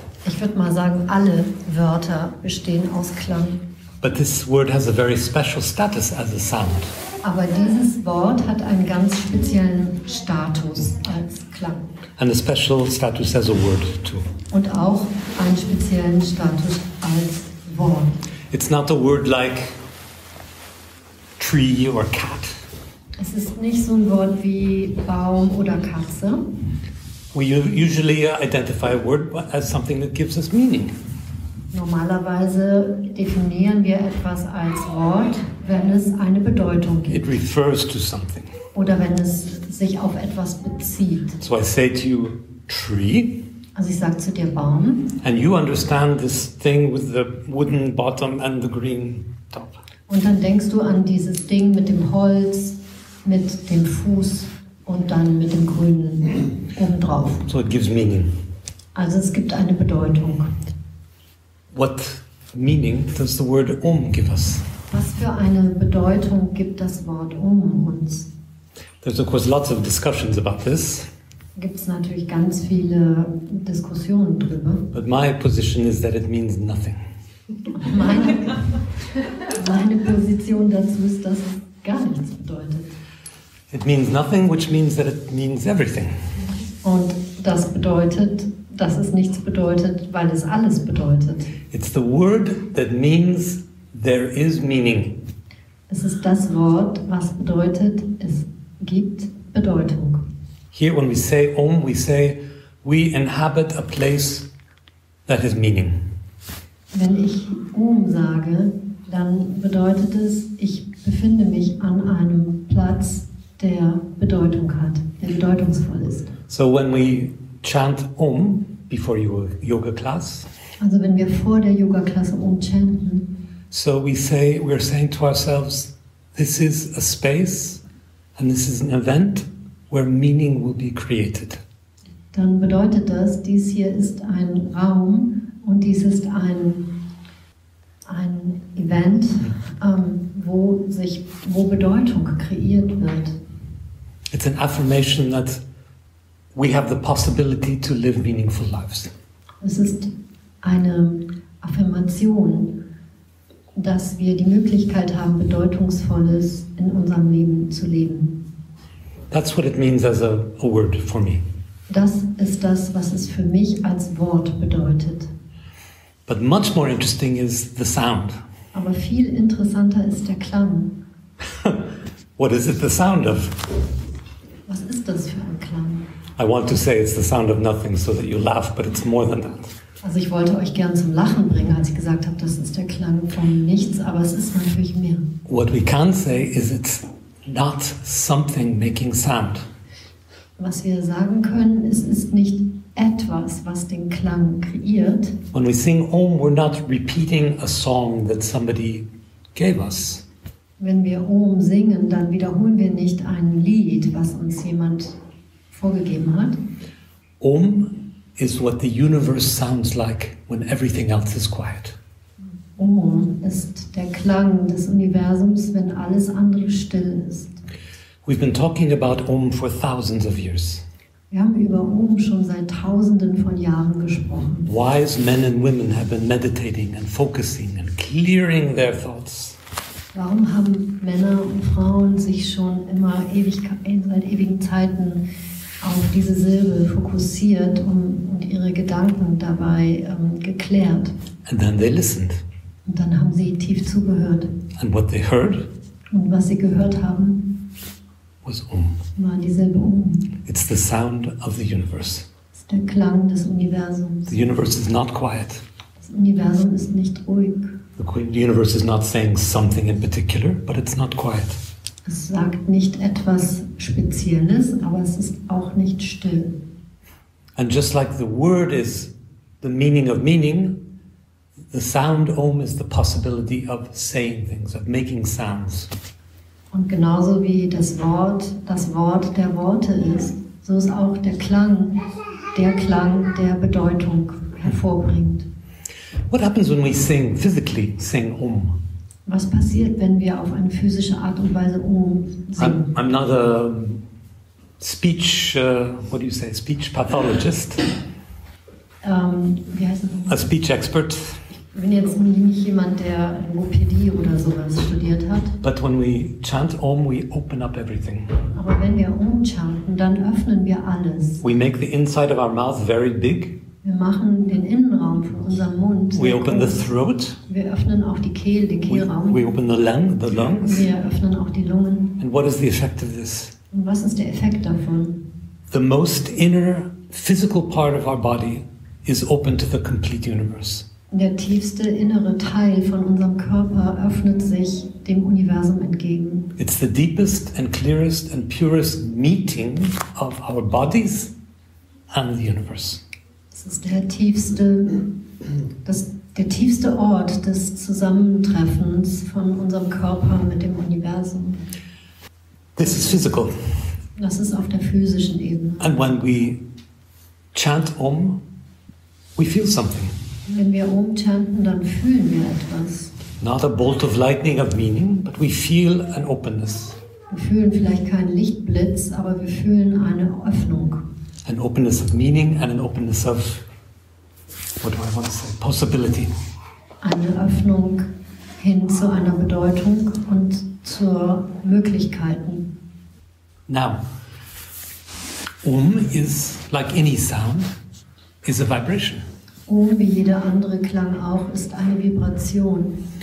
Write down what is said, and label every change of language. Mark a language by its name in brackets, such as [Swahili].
[German] ich würde mal sagen, alle Wörter bestehen aus Klang. [English] But this word has a very special status as a sound. [German] Aber dieses Wort hat einen ganz speziellen Status als Klang. [English] And a special status as a word too. [German] Und auch einen speziellen Status als Wort. [English] It's not a word like tree or cat. [German] Es ist nicht so ein Wort wie Baum oder Katze. [English] We usually identify a word as something that gives us meaning. [German] Normalerweise definieren wir etwas als Wort, wenn es eine Bedeutung gibt. [English] It refers to something. [German] Oder wenn es sich auf etwas bezieht. [English] So I say to you, tree. [German] Also ich sage zu dir, Baum. [English] And you understand this thing with the wooden bottom and the green top. [German] Und dann denkst du an dieses Ding mit dem Holz, mit dem Fuß und dann mit dem grünen oben drauf. [English] So it gives meaning. [German] Also es gibt eine Bedeutung. [English] What meaning does the word om give us? [German] Was für eine Bedeutung gibt das Wort om uns? [English] There's of course lots of discussions about this. [German] Gibt's natürlich ganz viele Diskussionen drüber. [English] But my position is that it means nothing. [German] Meine Position dazu ist, dass es gar nichts bedeutet. [English] It means nothing, which means that it means everything. [German] Und das bedeutet, dass es nichts bedeutet, weil es alles bedeutet. [English] It's the word that means there is meaning. [German] Es ist das Wort, was bedeutet, es gibt Bedeutung. [English] Here when we say om, we say we inhabit a place that has meaning. [German] Wenn ich om sage, dann bedeutet es, ich befinde mich an einem Platz, der Bedeutung hat, der bedeutungsvoll ist. [English] So when we chant om before yoga class. [German] Also wenn wir vor der Yoga-Klasse umchanten. [English] So we are saying to ourselves, this is a space and this is an event where meaning will be created. [German] Dann bedeutet das, dies hier ist ein Raum und dies ist ein Event, wo Bedeutung kreiert wird. [English] It's an affirmation that we have the possibility to live meaningful lives. [German] Es ist eine Affirmation, dass wir die Möglichkeit haben, Bedeutungsvolles in unserem Leben zu leben. [English] That's what it means as a word for me. [German] Das ist das, was es für mich als Wort bedeutet. [English] But much more interesting is the sound. [German] Aber viel interessanter ist der Klang. [English] What is it the sound of? [German] Was ist das für ein Klang? [English] I want to say it's the sound of nothing so that you laugh, but it's more than that. [German] Also ich wollte euch gern zum Lachen bringen, als ich gesagt habe, das ist der Klang von nichts, aber es ist natürlich mehr. [English] What we can say is it's not something making sound. [German] Was wir sagen können, es ist nicht etwas, was den Klang kreiert. [English] When we sing om, we're not repeating a song that somebody gave us. [German] Wenn wir om singen, dann wiederholen wir nicht ein Lied, was uns jemand vorgegeben hat. [English] Om is what the universe sounds like when everything else is quiet. [German] Om ist der Klang des Universums, wenn alles andere still ist. [English] We've been talking about Om for thousands of years. [German] Wir haben über Om schon seit tausenden von Jahren gesprochen. [English] Wise men and women have been meditating and focusing and clearing their thoughts. [German] Warum haben Männer und Frauen sich schon immer seit ewigen Zeiten auf diese Silbe fokussiert und ihre Gedanken dabei geklärt. [English] And then they listened. [German] Und dann haben sie tief zugehört. [English] And what they heard, [German] und was sie gehört haben, [English] was [German] war die Silbe um. [English] It's the sound of the universe. [German] Es ist der Klang des Universums. [English] The universe is not quiet. [German] Das Universum ist nicht ruhig. [English] The universe is not saying something in particular, but it's not quiet. [German] Es sagt nicht etwas Spezielles, aber es ist auch nicht still. [English] And just like the word is the meaning of meaning, the sound om is the possibility of saying things, of making sounds. [German] Und genauso wie das Wort der Worte ist, so ist auch der Klang, der Bedeutung hervorbringt. [English] What happens when we sing, physically sing Om? [German] Was passiert, wenn wir auf eine physische Art und Weise Om singen? [English] I'm not a speech, what do you say, speech pathologist. [German] Wie heißt das? [English] A speech expert. [German] Ich bin jetzt nicht jemand, der Logopädie oder sowas studiert hat. [English] But when we chant Om, we open up everything. [German] Aber wenn wir Om chanten, dann öffnen wir alles. [English] We make the inside of our mouth very big. [German] Wir machen den Innenraum von unserem Mund. [English] We open the throat. [German] Wir öffnen auch die Kehle, den Kehlraum. [English] We open the lungs. [German] Wir öffnen auch die Lungen. [English] And what is the effect of this? [German] Und was ist der Effekt davon? [English] The most inner physical part of our body is open to the complete universe. [German] Der tiefste innere Teil von unserem Körper öffnet sich dem Universum entgegen. [English] It's the deepest and clearest and purest meeting of our bodies and the universe. [German] Es ist der tiefste Ort des Zusammentreffens von unserem Körper mit dem Universum. [English] This is physical. [German] Das ist auf der physischen Ebene. [English] And when we chant Om, we feel something. [German] Wenn wir Om chanten, dann fühlen wir etwas. [English] Not a bolt of lightning of meaning, but we feel an openness. [German] Wir fühlen vielleicht keinen Lichtblitz, aber wir fühlen eine Öffnung. [English] An openness of meaning and an openness of, what do I want to say, possibility. [German] Eine Öffnung hin zu einer Bedeutung und zu Möglichkeiten. [English] Now, Om is, like any sound, is a vibration. [German] Om, wie jeder andere Klang auch, ist eine Vibration.